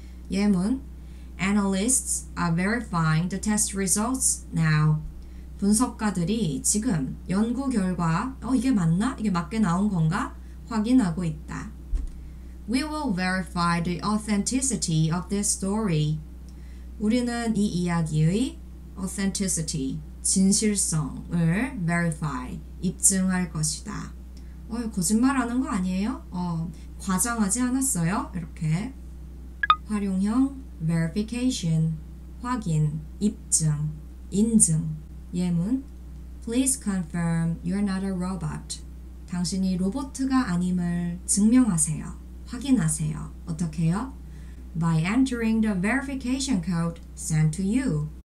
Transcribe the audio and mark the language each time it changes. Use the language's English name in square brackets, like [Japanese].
[English] 예문, analysts are verifying the test results now. [Korean] 분석가들이 지금 연구 결과, 이게 맞나? 이게 맞게 나온 건가? 확인하고 있다. [English] We will verify the authenticity of this story. [Korean] 우리는 이 이야기의 authenticity, 진실성을 verify, 입증할 것이다. 거짓말하는 거 아니에요? 과장하지 않았어요? 이렇게. 활용형 verification, 확인, 입증, 인증. [English] 예문, please confirm you're not a robot. [Korean] 당신이 로봇가 아님을 증명하세요. 확인하세요. 어떻게요? [English] By entering the verification code sent to you.